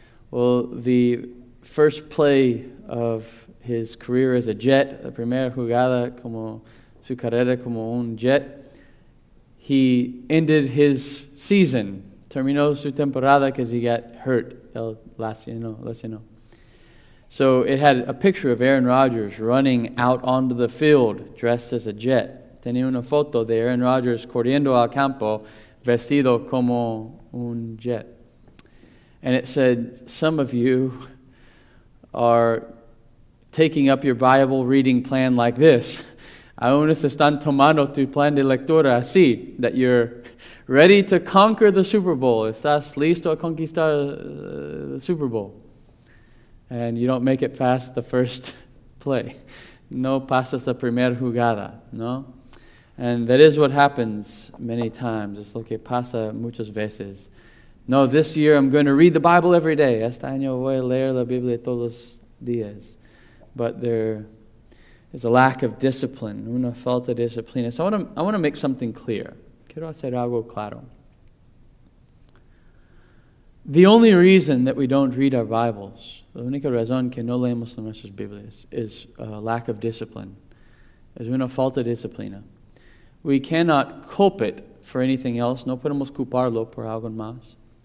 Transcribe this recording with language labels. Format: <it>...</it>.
<en>Well, the first play of his career as a Jet, the</en> <es>primera jugada como su carrera como un Jet,</es> <en>he ended his season.</en> <es>Terminó su temporada</es> <en>because he got hurt.</en> <es>El lesionó.</es> <en>So it had a picture of Aaron Rodgers running out onto the field dressed as a Jet.</en> <es>Tenía una foto de Aaron Rodgers corriendo al campo vestido como un Jet.</es> <en>And it said, some of you are taking up your Bible reading plan like this.</en> <es>Algunos están tomando tu plan de lectura así,</es> <en>that you're ready to conquer the Super Bowl.</en> <es>Estás listo a conquistar the Super Bowl.</es> <en>And you don't make it past the first play.</en> <es>No pasas la primera jugada, no?</es> <en>And that is what happens many times.</en> <es>Es lo que pasa muchas veces.</es> <en>No, this year I'm going to read the Bible every day.</en> <es>Este año voy a leer la Biblia todos los días.</es> <en>But there is a lack of discipline,</en> <es>una falta de disciplina.</es> <en>So I want to make something clear.</en> <es>Quiero hacer algo claro.</es> <en>The only reason that we don't read our Bibles,</en> <es>la única razón que no leemos nuestras Biblias,</es> <en>is a lack of discipline,</en> <es>es una falta de disciplina.</es> <en>We cannot culpe it for anything else.</en> <es>No podemos culparlo por algo más.</es>